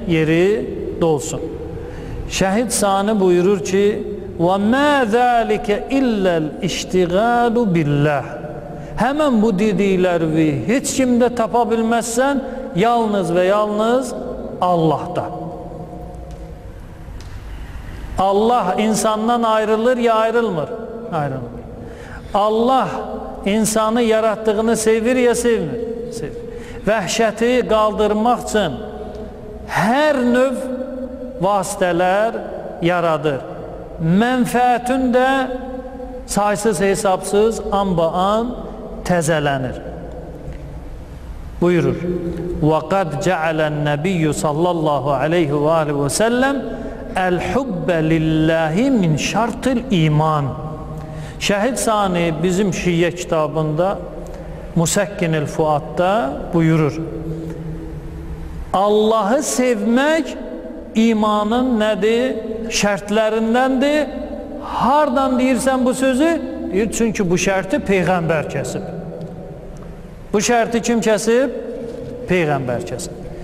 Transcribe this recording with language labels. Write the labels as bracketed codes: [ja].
[az] Yeri dolsun. Şəhid sani buyurur ki, [ar] وَمَا ذَٰلِكَ إِلَّا الْاِشْتِغَالُ بِاللَّهِ [az] Həmən bu dedikləri və heç kimdə tapa bilməzsən, yalnız və yalnız Allahda. Allah insandan ayrılır ya ayrılmır? Ayrılmır. Allah insanı yaratdığını sevir ya sevmir? Sevir. Vəhşəti qaldırmaq üçün hər növ vasitələr yaradır. Mənfəətin də saysız hesabsız anbaan təzələnir. Buyurur. [ar] وَقَدْ جَعَلَ النَّبِيُّ صَلَّى اللَّهُ عَلَيْهُ وَآلِهِ وَسَلَّمَ الْحُبَّ لِلَّهِ مِنْ شَرْطِ الْإِيمَانِ [az] Şəhid Sani bizim Şiyyə kitabında Musəkkin el-Fuatda buyurur. Allahı sevmək imanın nədir? Şərtlərindəndir. Hardan deyirsən bu sözü? Deyir, çünki bu şərti Peyğəmbər kəsib. Bu şərti kim kəsib? Peyğəmbər kəsib.